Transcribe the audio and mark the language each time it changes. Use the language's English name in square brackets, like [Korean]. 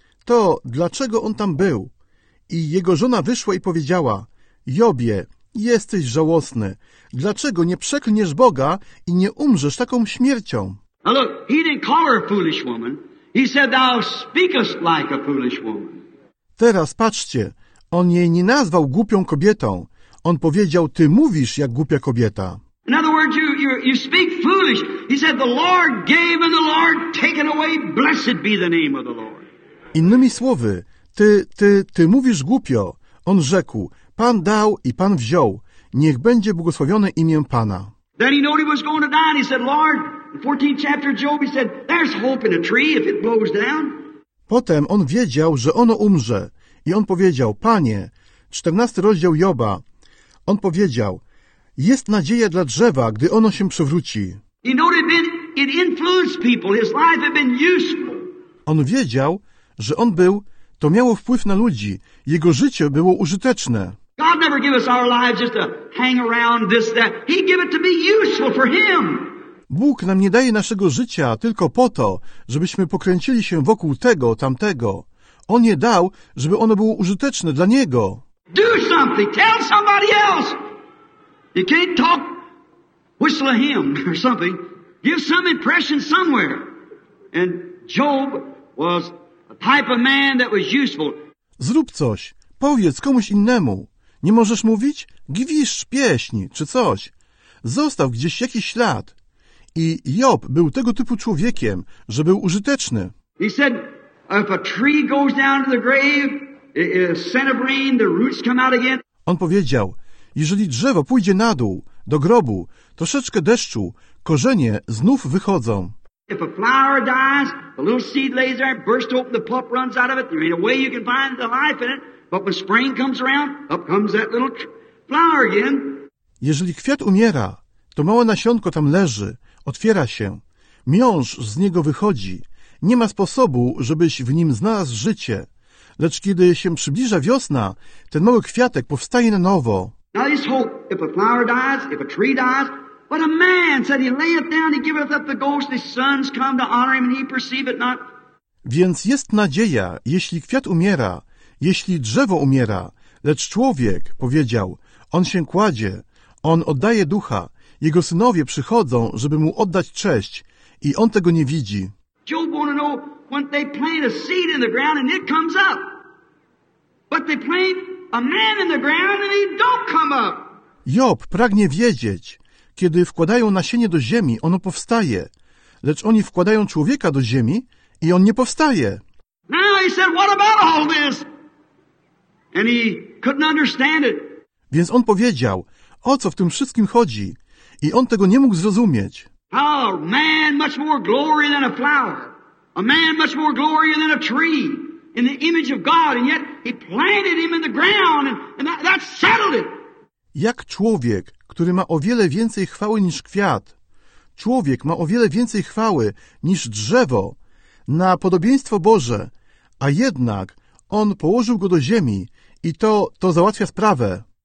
[Polish] To, dlaczego on tam był. I jego żona wyszła i powiedziała, Jobie, jesteś żałosny. Dlaczego nie przeklniesz Boga i nie umrzesz taką śmiercią? [English] Now look, he didn't call her a foolish woman. He said, thou speakest like a foolish woman. [Polish] Teraz patrzcie, on jej nie nazwał głupią kobietą. On powiedział, ty mówisz jak głupia kobieta. [English] In other words, you speak foolish. He said, the Lord gave and the Lord taken away. Blessed be the name of the Lord. [Polish] Innymi słowy, ty mówisz głupio. On rzekł, Pan dał i Pan wziął. Niech będzie błogosławione imię Pana. [English] Then he knew he was going to die and he said, Lord, the 14th chapter of Job, he said, there's hope in a tree if it blows down. [Polish] Potem on wiedział, że ono umrze. I on powiedział, Panie, 14 rozdział Joba. On powiedział, jest nadzieja dla drzewa, gdy ono się przewróci. [English] He knew it influenced people. His life had been useful. [Polish] On wiedział, że on był, to miało wpływ na ludzi. Jego życie było użyteczne. [English] God never gave us our lives just to hang around this, that. He gave it to be useful for him. [Polish] Bóg nam nie daje naszego życia tylko po to, żebyśmy pokręcili się wokół tego, tamtego. On je dał, żeby ono było użyteczne dla Niego. [English] Do something, tell somebody else. You can't talk, whistle a hymn or something. Give some impression somewhere. And Job was type of man that was useful. [Polish] Zrób coś. Powiedz komuś innemu. Nie możesz mówić? Gwiszcz pieśń czy coś. Zostaw gdzieś jakiś ślad. I Job był tego typu człowiekiem, że był użyteczny. [English] He said, if a tree goes down to the grave, a scent of rain, the roots come out again. [Polish] On powiedział, jeżeli drzewo pójdzie na dół, do grobu, troszeczkę deszczu, korzenie znów wychodzą. [English] If a flower dies, a little seed lays there, bursts open, the pulp runs out of it. There ain't a way you can find the life in it. But when spring comes around, up comes that little flower again. [Polish] Jeżeli kwiat umiera, to małe nasionko tam leży, otwiera się. Miąższ z niego wychodzi. Nie ma sposobu, żebyś w nim znalazł życie. Lecz kiedy się przybliża wiosna, ten mały kwiatek powstaje na nowo. [English] Now this hope, if a flower dies, if a tree dies, but a man said he layeth down, he giveth up the ghost, his sons come to honor him, and he perceive it not. [Polish] Więc jest nadzieja, jeśli kwiat umiera, jeśli drzewo umiera, lecz człowiek, powiedział, on się kładzie, on oddaje ducha, jego synowie przychodzą, żeby mu oddać cześć, i on tego nie widzi. [English] Job wanted to know when they plant a seed in the ground and it comes up. But they plant a man in the ground and he don't come up. [Polish] Job pragnie wiedzieć, kiedy wkładają nasienie do ziemi, ono powstaje. Lecz oni wkładają człowieka do ziemi i on nie powstaje. [English] Now he said, what about all this? And he couldn't understand it. [Polish] Więc on powiedział, o co w tym wszystkim chodzi? I on tego nie mógł zrozumieć. [English] How a man much more glory than a flower. A man much more glory than a tree. In the image of God. And yet he planted him in the ground. And that settled it. [Polish] Jak człowiek, który ma o wiele więcej chwały niż kwiat. Człowiek ma o wiele więcej chwały niż drzewo na podobieństwo Boże, a jednak on położył go do ziemi i to załatwia sprawę.